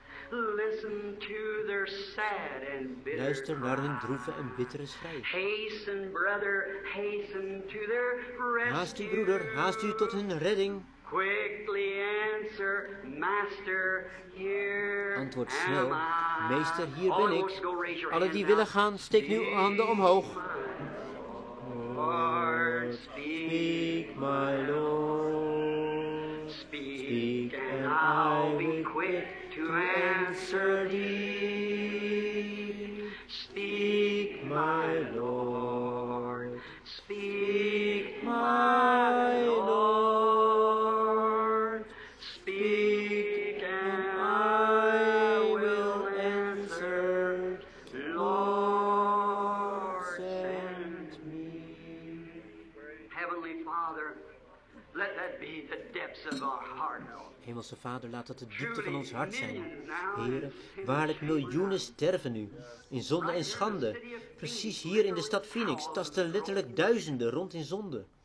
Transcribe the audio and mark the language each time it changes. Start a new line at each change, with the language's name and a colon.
English: Listen to their sad and bitter.
Dutch: Luister naar hun droeve en bittere schreeuw.
English: Hasten, brother, hasten to their rescue.
Dutch: Haast u, broeder, haast u tot hun redding.
English: Quickly answer, master, here.
Dutch: Antwoord snel, meester, hier ben ik. Alle die willen gaan, steek nu uw handen omhoog.
English: Lord, speak, my Lord. Speak, and I'll be quick. To answer thee, speak, my Lord, speak, my Lord, speak, and I will answer, Lord, send me. Heavenly Father, let that be the depths of our heart.
Dutch: Hemelse Vader, laat dat de diepte van ons hart zijn. Heren, waarlijk miljoenen sterven nu, in zonde en schande. Precies hier in de stad Phoenix tasten letterlijk duizenden rond in zonde.